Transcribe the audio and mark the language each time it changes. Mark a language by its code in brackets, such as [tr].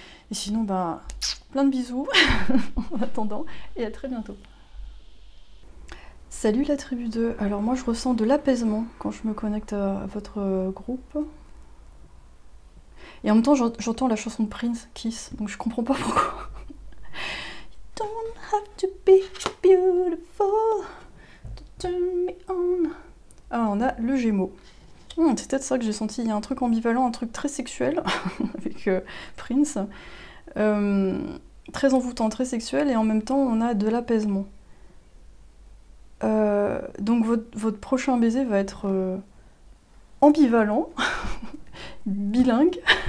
[fr] Et sinon, bah, plein de bisous en attendant et à très bientôt. Salut la tribu 2. Alors moi je ressens de l'apaisement quand je me connecte à votre groupe. Et en même temps j'entends la chanson de Prince, Kiss, donc je comprends pas pourquoi. [en] You don't have to be beautiful to turn me on. [fr] Ah, on a le Gémeaux. C'est peut-être ça que j'ai senti. Il y a un truc ambivalent, un truc très sexuel avec Prince. Très envoûtant, très sexuel, et en même temps on a de l'apaisement. Donc votre prochain baiser va être ambivalent, bilingue.